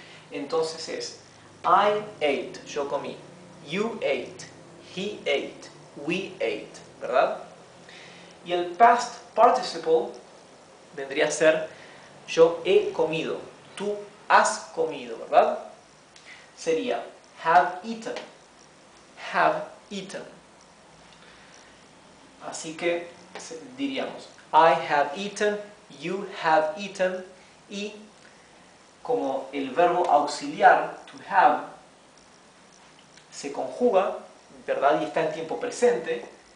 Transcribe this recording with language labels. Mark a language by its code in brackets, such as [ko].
[es] Entonces es [en] I ate, [es] yo comí. [en] You ate, he ate, we ate, ¿verdad? [es] Y el past participle vendría a ser yo he comido, tú has comido, ¿verdad? [en] Sería have eaten, have eaten. [es] Así que diríamos, [en] I have eaten, you have eaten, [es] y como el verbo auxiliar, to have, se conjuga, ¿verdad? Y está en tiempo presente.